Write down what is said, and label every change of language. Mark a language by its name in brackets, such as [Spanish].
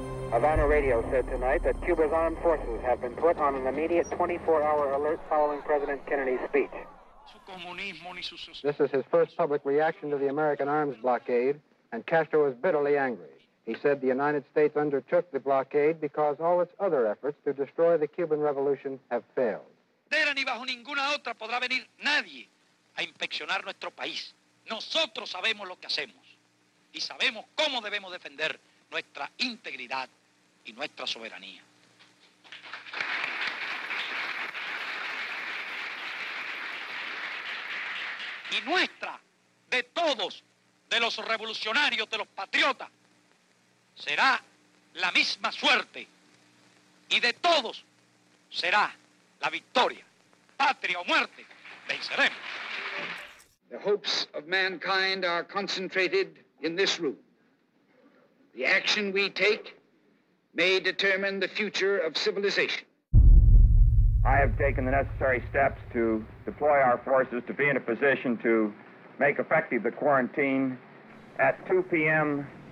[English] Havana Radio said tonight that Cuba's armed forces have been put on an immediate 24-hour alert following President Kennedy's speech. This is his first public reaction to the American arms blockade, and Castro was bitterly angry. He said the United States undertook the blockade because all its other efforts to destroy the Cuban Revolution have failed. [Spanish] Ni bajo ninguna otra podrá venir nadie a inspeccionar nuestro país. Nosotros sabemos lo que hacemos y sabemos cómo debemos defender nuestra integridad y nuestra soberanía. Y nuestra, de todos, de los revolucionarios, de los patriotas, será la misma suerte y de todos será la victoria. Patria o muerte, venceremos. [English] The hopes of mankind are concentrated in this room. The action we take may determine the future of civilization. I have taken the necessary steps to deploy our forces to be in a position to make effective the quarantine at 2 p.m.